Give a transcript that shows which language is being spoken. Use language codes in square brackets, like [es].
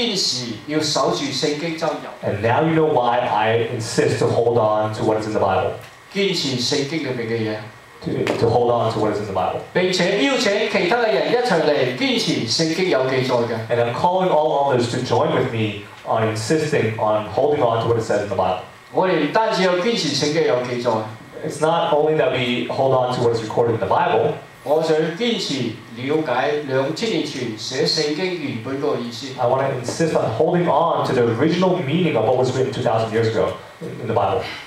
[zh] 現在你就知道為什麼我堅持要守住聖經真言。 [en] And now you know why I insist to hold on to what is in the Bible. [zh] 堅持聖經裡面的東西。 [en] To hold on to what is in the Bible. [zh] 並且邀請其他的人一起來堅持聖經有記載的。 [en] And I'm calling all others to join with me on insisting on holding on to what it says in the Bible. [zh] 我們不單要堅持聖經有記載。 [en] It's not only that we hold on to what is recorded in the Bible. I want to insist on holding on to the original meaning of what was written 2,000 years ago in the Bible.